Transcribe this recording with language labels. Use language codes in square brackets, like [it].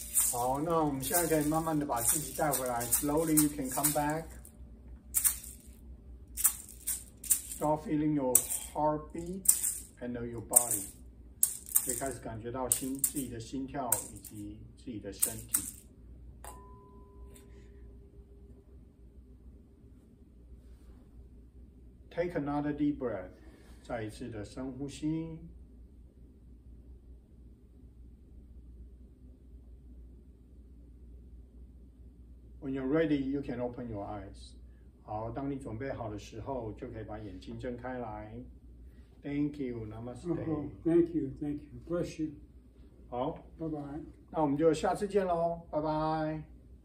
[zh] 好，那我们现在可以慢慢的把自己带回来。 [en] Slowly you can come back. Start feeling your heartbeat and know your body. [zh] 可以开始感觉到自己的心跳以及自己的身体。 [en] Take another deep breath. [zh] 再一次的深呼吸。 [en] When you're ready, you can open your eyes. [zh] 好，当你准备好的时候，就可以把眼睛睁开来。 [en] Thank you, Namaste. Oh, thank you, bless you. [zh] 好，拜拜。那我们就下次见喽，拜拜。